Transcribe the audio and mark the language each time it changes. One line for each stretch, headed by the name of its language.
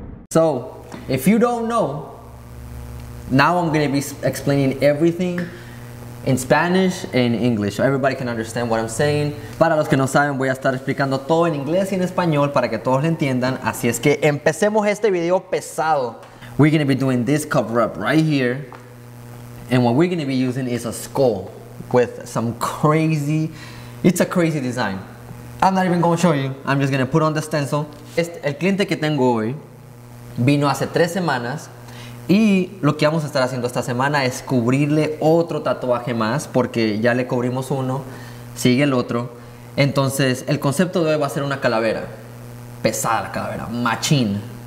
English: So, if you don't know, now I'm going to be explaining everything in Spanish and English, so everybody can understand what I'm saying.
Spanish: Para los que no saben, voy a estar explicando todo en inglés y en español para que todos lo entiendan. Así es que empecemos este video pesado.
English: We're going to be doing this cover up right here. And what we're going to be using is a skull with some crazy, it's a crazy design. I'm not even going to show you. I'm just going to put on the stencil.
Spanish: El cliente que tengo hoy vino hace 3 semanas. Y lo que vamos a estar haciendo esta semana es cubrirle otro tatuaje más, porque ya le cubrimos uno, sigue el otro. Entonces, el concepto de hoy va a ser una calavera. Pesada la calavera, machín.